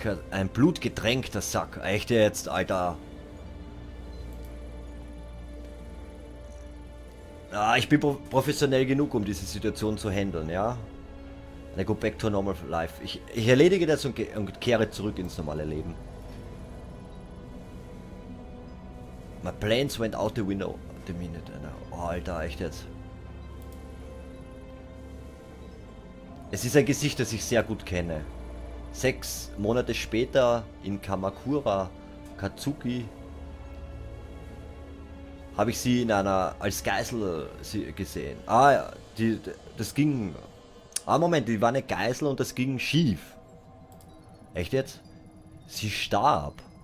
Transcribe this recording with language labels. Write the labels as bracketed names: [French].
[German] Ein blutgetränkter Sack. Echt jetzt, Alter. Ah, ich bin professionell genug, um diese Situation zu handeln, ja? [English] I go back to normal life. [German] Ich erledige das und kehre zurück ins normale Leben. [English] My plans went out the window at the minute. [German] Oh, Alter, echt jetzt. Es ist ein Gesicht, das ich sehr gut kenne. 6 Monate später in Kamakura, Katsuki, habe ich sie in einer als Geisel gesehen. Ah ja, das ging. Ah Moment, die war eine Geisel und das ging schief. Echt jetzt? Sie starb.